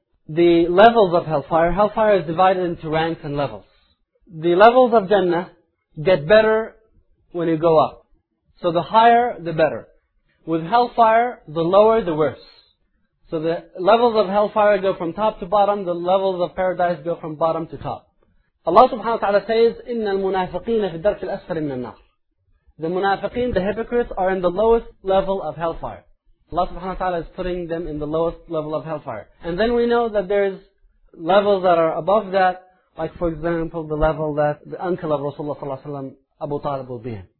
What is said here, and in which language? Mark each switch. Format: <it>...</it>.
<en>The levels of hellfire, hellfire is divided into ranks and levels. The levels of Jannah get better when you go up. So the higher, the better. With hellfire, the lower, the worse. So the levels of hellfire go from top to bottom, the levels of paradise go from bottom to top.</en> <ar>Allah subhanahu wa ta'ala says, إِنَّ الْمُنَافِقِينَ فِي الدَّرْكِ الْأَسْفَرِ مِنَ النَّارِ.</ar> <en>The munafiqeen, the hypocrites, are in the lowest level of hellfire. Allah subhanahu wa ta'ala is putting them in the lowest level of hellfire. And then we know that there's levels that are above that, like for example, the level that the uncle of Rasulullah sallallahu alayhi wa sallam, Abu Talib, will be in.</en>